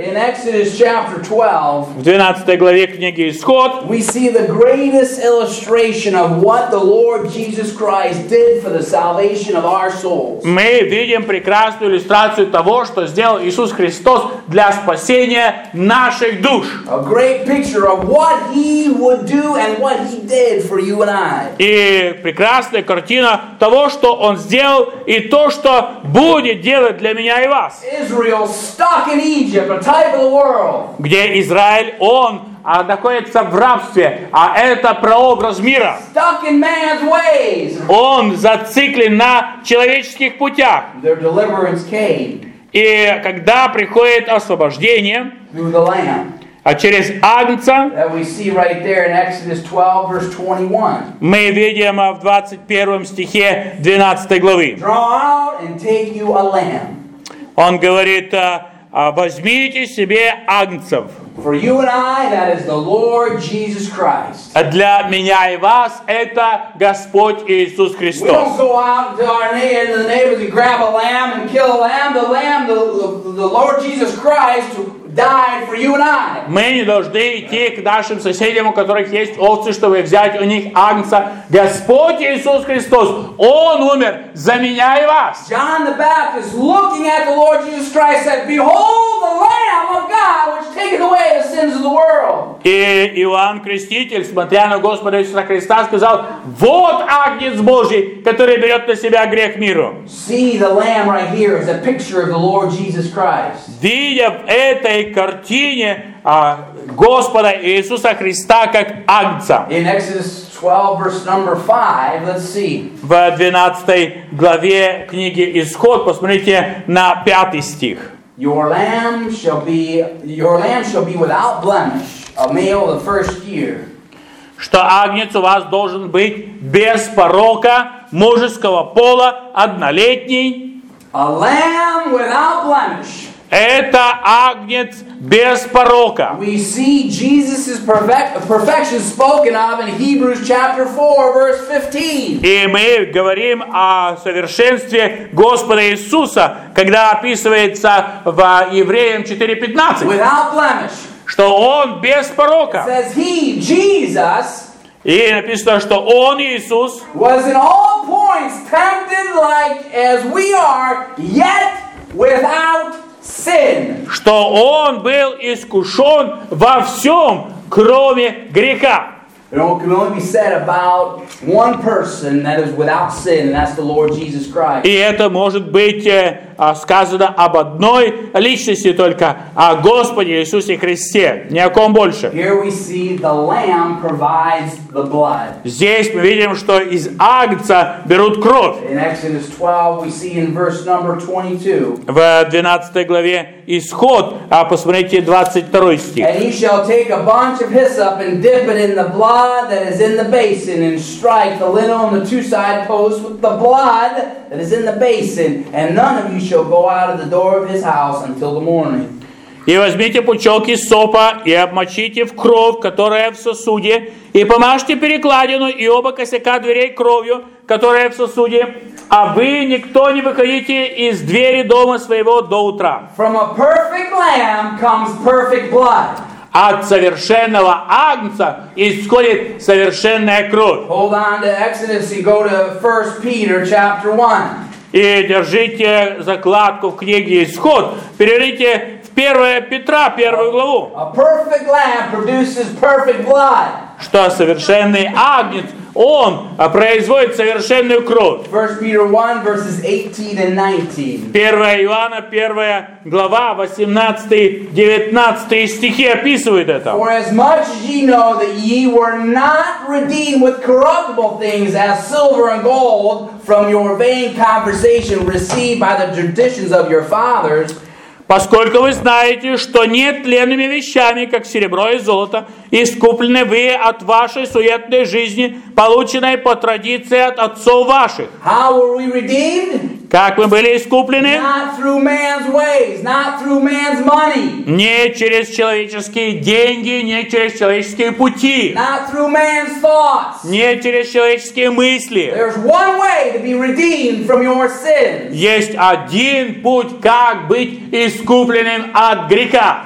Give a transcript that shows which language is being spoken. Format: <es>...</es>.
<en>In Exodus chapter 12,</en> <ru>в 12 главе книги Исход мы видим</ru> <en>greatest illustration of what the Lord Jesus Christ did for the salvation of our souls.</en> <ru>Мы видим прекрасную иллюстрацию того, что сделал Иисус Христос для спасения наших душ.</ru> <en>A great picture of what He would do and what He did for you and I.</en> <ru>И прекрасная картина того, что Он сделал и то, что будет делать для меня и вас.</ru> <en>Israel stuck in Egypt, a type of the world.</en> <ru>Где Израиль, он а находится в рабстве, а это прообраз мира.</ru> <en>Stuck in man's ways.</en> <ru>Он зациклен на человеческих путях.</ru> <en>Their deliverance came.</en> <ru>И когда приходит освобождение,</ru> <en>through the Lamb,</en> <ru>а через Агнца,</ru> <en>that we see right there in Exodus 12, verse 21,</en> <ru>мы видим в 21 стихе 12 главы.</ru> <en>Draw out and take you a lamb.</en> <ru>Он говорит, возьмите себе агнцев.</ru> <en>For you and I, that is the Lord Jesus Christ.</en> <ru>Для меня и вас это Господь Иисус Христос.</ru> <en>We don't go out to our neighbors and grab a lamb and kill a lamb. The lamb, the Lord Jesus Christ died for you and I.</en> <ru>Мы не должны идти к нашим соседям, у которых есть овцы, чтобы взять у них агнца. Господь Иисус Христос, Он умер за меня и вас.</ru> <en>John the Baptist, looking at the Lord Jesus Christ, said, "Behold the Lamb of God, which taketh away the sins of the world."</en> <ru>И Иоанн Креститель, смотря на Господа Иисуса Христа, сказал, "Вот агнец Божий, который берет на себя грех миру."</ru> <en>See, the Lamb right here is a picture of the Lord Jesus Christ.</en> <ru>Видя это в этой картине Господа Иисуса Христа как Агнца.</ru> <en>In Exodus 12, verse number 5, let's see.</en> <ru>В 12 главе книги Исход посмотрите на 5 стих.</ru> <en>Your lamb shall be without blemish, a male of the first year.</en> <ru>Что Агнец у вас должен быть без порока, мужеского пола, однолетний.</ru> <en>A lamb without blemish.</en> <ru>Это агнец без порока.</ru> <en>We see Jesus' perfection spoken of in Hebrews chapter 4, verse 15.</en> <ru>И мы говорим о совершенстве Господа Иисуса, когда описывается в Евреям 4:15.</ru> <en>Without blemish.</en> <ru>Что Он без порока.</ru> <en>Says He, Jesus.</en> <ru>И написано, что Он Иисус.</ru> <en>Was in all points tempted like as we are, yet without sin.</en> <ru>Что Он был искушен во всем, кроме греха.</ru> <en>It can only be said about one person that is without sin, and that's the Lord Jesus Christ.</en> <ru>И это может быть сказано об одной личности только, о Господе Иисусе Христе, ни о ком больше.</ru> <en>Here we see the Lamb provides the blood.</en> <ru>Здесь мы видим, что из Агнца берут кровь.</ru> <en>In Exodus 12, we see in verse number 22.</en> <ru>В 12 главе Исход, посмотрите 22 стих.</ru> <en>And he shall take a bunch of hyssop and dip it in the blood that is in the basin and strike the lintel on the two side posts with the blood that is in the basin, and none of you shall go out of the door of his house until the morning.</en> <ru>И возьмите пучок иссопа и обмочите в кровь, которая в сосуде, и помажьте перекладину и оба косяка дверей кровью, которая в сосуде, а вы никто не выходите из двери дома своего до утра.</ru> <en>From a perfect lamb comes perfect blood.</en> <ru>От совершенного агнца исходит совершенная кровь.</ru> <en>Hold on to Exodus and go to 1 Peter chapter 1.</en> <ru>И держите закладку в книге Исход, переверните 1 Петра, 1 главу.</ru> <en>A perfect lamb produces perfect blood.</en> <ru>Что совершенный агнец, он производит совершенную кровь.</ru> <en>1 Peter 1, verses 18 and 19.</en> <ru>1 Иоанна, 1 глава, 18-19 стихи описывает это.</ru> <en>For as much as ye know that ye were not redeemed with corruptible things as silver and gold from your vain conversation received by the traditions of your fathers,</en> <ru>поскольку вы знаете, что нет тленными вещами, как серебро и золото, искуплены вы от вашей суетной жизни, полученной по традиции от отцов ваших.</ru> <en>How were we redeemed?</en> <ru>Как мы были искуплены?</ru> <en>Not through man's ways, not through man's money.</en> <ru>Не через человеческие деньги, не через человеческие пути.</ru> <en>Not through man's thoughts.</en> <ru>Не через человеческие мысли.</ru> <en>There's one way to be redeemed from your sins.</en> <ru>Есть один путь, как быть искупленным от греха.</ru>